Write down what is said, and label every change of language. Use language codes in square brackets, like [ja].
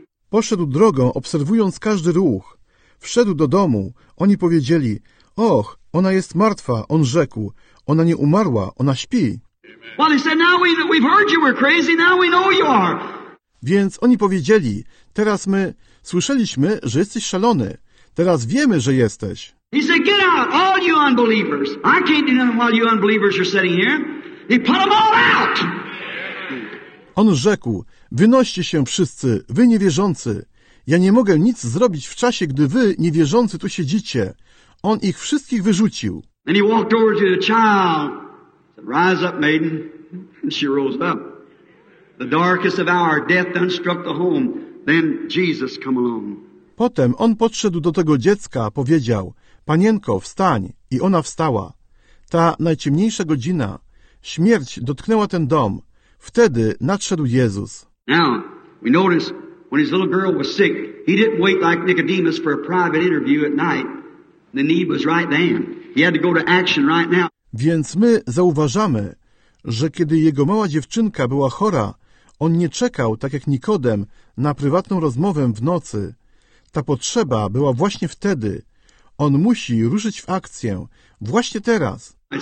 [pl] Poszedł drogą, obserwując każdy ruch. Wszedł do domu. Oni powiedzieli, och, ona jest martwa, on rzekł. Ona nie umarła, ona śpi. [en] Well, they said, now we've heard you were crazy, now we know you are. [pl] Więc oni powiedzieli, teraz my słyszeliśmy, że jesteś szalony. Teraz wiemy, że jesteś. [en] He said, get out, all you unbelievers. I can't do nothing while you unbelievers are sitting here. He put them all out. [pl] On rzekł, wynoście się wszyscy, wy niewierzący. Ja nie mogę nic zrobić w czasie, gdy wy, niewierzący, tu siedzicie. On ich wszystkich wyrzucił. [en] And he walked over to the child. Said, rise up, maiden. And she rose up. The darkest of hour, death unstruck the home. Then Jesus come along. [pl] Potem on podszedł do tego dziecka, powiedział, panienko, wstań. I ona wstała. Ta najciemniejsza godzina. Śmierć dotknęła ten dom. Wteddy nadszedł Jezus. [en] Now, we notice, when his little girl was sick, he didn't wait like Nicodemus for a private interview at night. The need was right then. He had to go to action right now. [pl] Więc my zauważamy, że kiedy jego mała dziewczynka była chora, on nie czekał, tak jak Nikodem, na prywatną rozmowę w nocy. Ta potrzeba była właśnie wtedy. On musi ruszyć w akcję. Właśnie teraz.